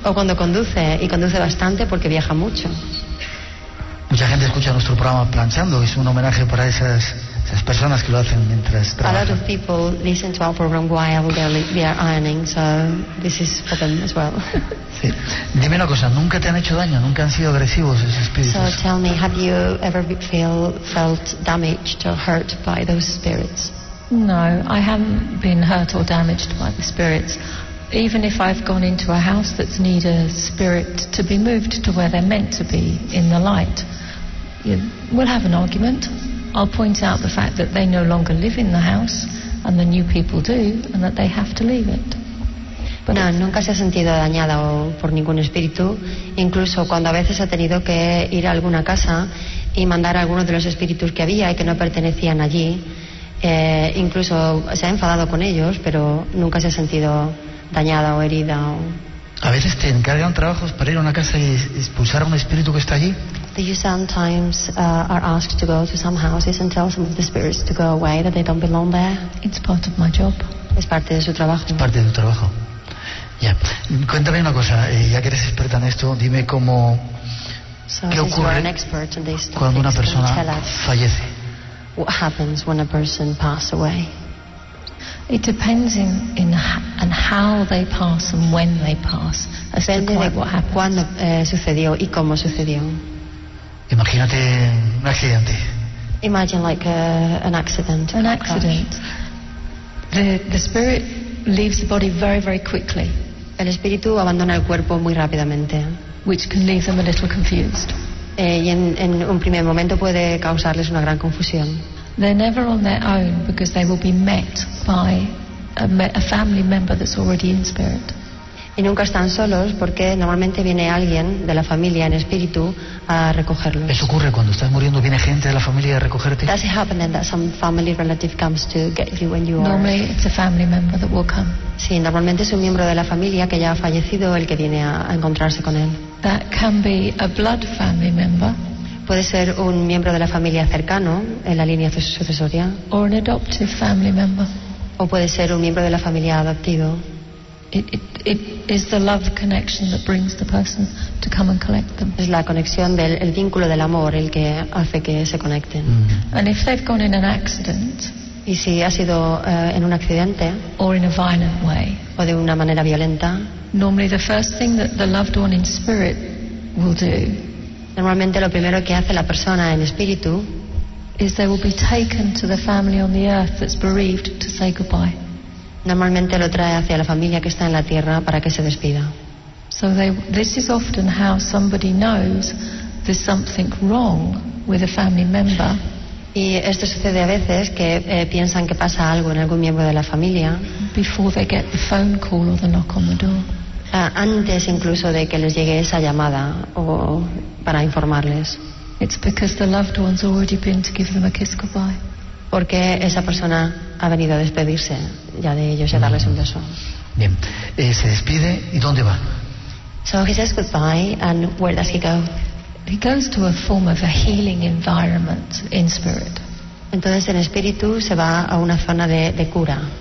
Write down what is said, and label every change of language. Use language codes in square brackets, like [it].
[es] O cuando conduce y conduce bastante porque viaja mucho. Mucha gente escucha nuestro programa planchando. Es un homenaje para esas. Las personas que lo hacen mientras trabajan. [en] A lot of people listen to our program while they're ironing, so this is for them as well. [es] Sí. Dime una cosa, ¿nunca te han hecho daño? ¿Nunca han sido agresivos esos espíritus? [en] So tell me, have you ever felt damaged or hurt by those spirits? No, I haven't been hurt or damaged by the spirits. Even if I've gone into a house that's need a spirit to be moved to where they're meant to be in the light, we'll have an argument. I'll point out the fact that they no longer live in the house and the new people do and that they have to leave it. But no, [es] nunca se ha sentido dañada por ningún espíritu, incluso cuando a veces ha tenido que ir a alguna casa y mandar a algunos de los espíritus que había y que no pertenecían allí, incluso se ha enfadado con ellos, pero nunca se ha sentido dañada o herida. A veces te encargan trabajos para ir a una casa y expulsar a un espíritu que está allí. [en] Do you sometimes are asked to go to some houses and tell some of the spirits to go away that they don't belong there? It's part of my job. [es] Es parte de su trabajo. Es parte de tu trabajo. Ya. Yeah. Cuéntame una cosa. Ya que eres experta en esto, dime cómo. [en] So [es] ¿qué ocurre [en] an expert in this topic, [es] cuando una persona fallece? [en] What happens when a person passes away? It depends in how they pass and when they pass. As [es] depende [en] to quite what happens. [es] Cuando sucedió y cómo sucedió. Imagínate un accidente. [en] Imagine like an accident. An accident. The spirit leaves the body very very quickly. [es] El espíritu abandona el cuerpo muy rápidamente. [en] Which can leave them a little confused. [es] Y en un primer momento puede causarles una gran confusión. [en] They're never on their own because they will be met by a family member that's already in spirit. [es] Y nunca están solos porque normalmente viene alguien de la familia en espíritu a recogerlos. ¿Eso ocurre cuando estás muriendo? ¿Viene gente de la familia a recogerte? [en] Does it happen then that some family relative comes to get you when you normally are? Normally it's a family member that will come. [es] Sí, normalmente es un miembro de la familia que ya ha fallecido el que viene a encontrarse con él. [en] That can be a blood family member. [es] Puede ser un miembro de la familia cercano en la línea sucesoria. [en] Or an adoptive family member. [es] O puede ser un miembro de la familia adoptivo. [en] It is the love connection that brings the person to come and collect them. [es] Es la conexión del el vínculo del amor el que hace que se conecten. [en] Mm. And if they've gone in an accident, [es] y si ha sido en un accidente, [en] or in a violent way, [es] o de una manera violenta, [en] normally the first thing that the loved one in spirit will do, [es] normalmente lo primero que hace la persona en espíritu, [en] is they will be taken to the family on the earth that's bereaved to say goodbye. [es] Normalmente lo trae hacia la familia que está en la tierra para que se despida. [en] So they, this is often how somebody knows there's something wrong with a family member. [es] Y esto sucede a veces que piensan que pasa algo en algún miembro de la familia. [en] Before they get the phone call or the knock on the door. [es] Antes incluso de que les llegue esa llamada o para informarles. [en] It's because the loved one's already been to give them a kiss goodbye. [es] Porque esa persona ha venido a despedirse ya de ellos y a darles un beso. Bien, se despide y ¿dónde va? [en] So he says goodbye and where does he go? He goes to a form of a healing environment in spirit. [es] Entonces en espíritu se va a una zona de cura.